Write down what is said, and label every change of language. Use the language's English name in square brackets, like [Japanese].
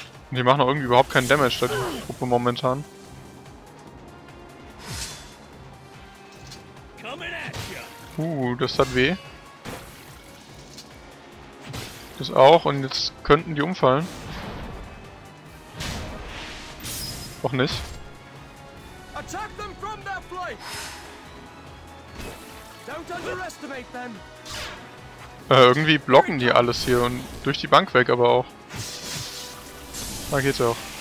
[German] Die machen auch irgendwie überhaupt keinen Damage, die Gruppe momentan. Das hat weh. Das auch, und jetzt könnten die umfallen. Auch nicht. [English] Attack them from their flight. Don't underestimate them. [German] Irgendwie blocken die alles hier und durch die Bank weg, aber auch. Da geht's auch.